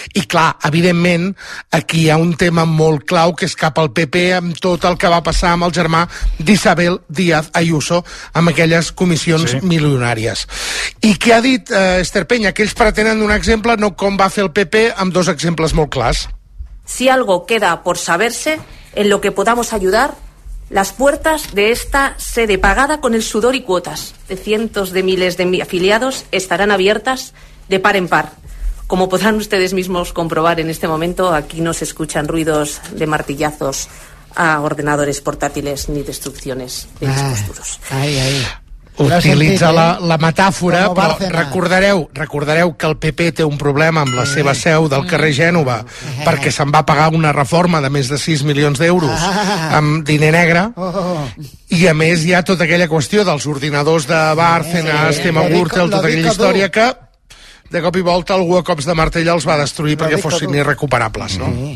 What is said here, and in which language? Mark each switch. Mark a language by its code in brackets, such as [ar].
[ca] I clar, evidentment, aquí hi ha un tema molt clau que és cap al PP amb tot el que va passar amb el germà d'Isabel Díaz Ayuso amb aquelles comissions milionàries. I què ha dit Esther Peña? Que ells pretenen un exemple, no com va fer el PP, amb dos exemples molt clars. [es] Si algo queda por saberse, en lo que podamos ayudar, las puertas de esta sede pagada con el sudor y cuotas de cientos de miles de afiliados estarán abiertas de par en par. Como podrán ustedes mismos comprobar en este momento, aquí no se escuchan ruidos de martillazos a ordenadores portátiles ni destrucciones de dispositivos. Ay, ay. [ca] Utilitza la metàfora, però recordareu que el PP té un problema amb la seva seu del carrer Gènova perquè se'n va pagar una reforma de més de 6 milions d'euros amb diner negre. I a més hi ha tota aquella qüestió dels ordinadors de Bárcenas, Tema Gürtel, tota aquella història que de cop i volta algú a cops de martell els va destruir perquè fossin irrecuperables, no?